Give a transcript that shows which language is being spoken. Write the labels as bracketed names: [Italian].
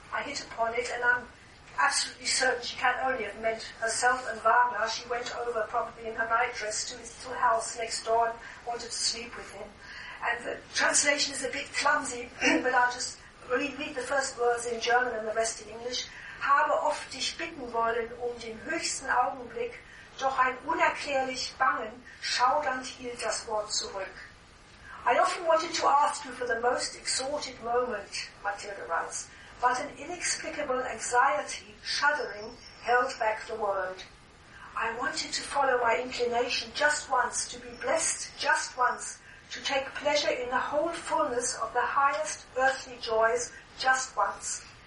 [English] I hit upon it and I'm absolutely certain she can only have meant herself and Wagner. She went over probably in her nightdress to his little house next door and wanted to sleep with him. And the translation is a bit clumsy, but I'll just read the first words in German and the rest in English. [German] Habe oft dich bitten wollen um den höchsten Augenblick, doch ein unerklärlich Bangen schaudernd hielt das Wort zurück. [English] I often wanted to ask you for the most exalted moment, Mathilde writes, but an inexplicable anxiety, shuddering, held back the word. I wanted to follow my inclination just once, to be blessed just once, to take pleasure in the whole fullness of the highest earthly joys just once.